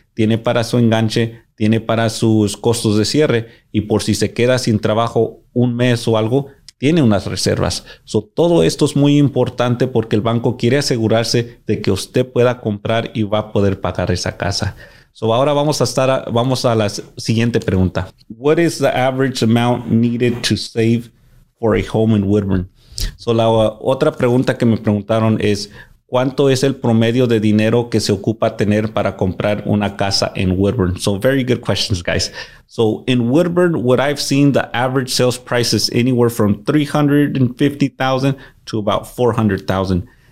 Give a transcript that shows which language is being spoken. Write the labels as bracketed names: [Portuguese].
[Spanish] Tiene para su enganche, tiene para sus costos de cierre y por si se queda sin trabajo un mes o algo, tiene unas reservas. So, todo esto es muy importante porque el banco quiere asegurarse de que usted pueda comprar y va a poder pagar esa casa. So, ahora vamos a la siguiente pregunta. [English] What is the average amount needed to save for a home in Woodburn? [Spanish] So, la otra pregunta que me preguntaron es, ¿cuánto es el promedio de dinero que se ocupa tener para comprar una casa en Woodburn? [English] So, very good questions, guys. So, in Woodburn, what I've seen, the average sales price is anywhere from $350,000 to about $400,000.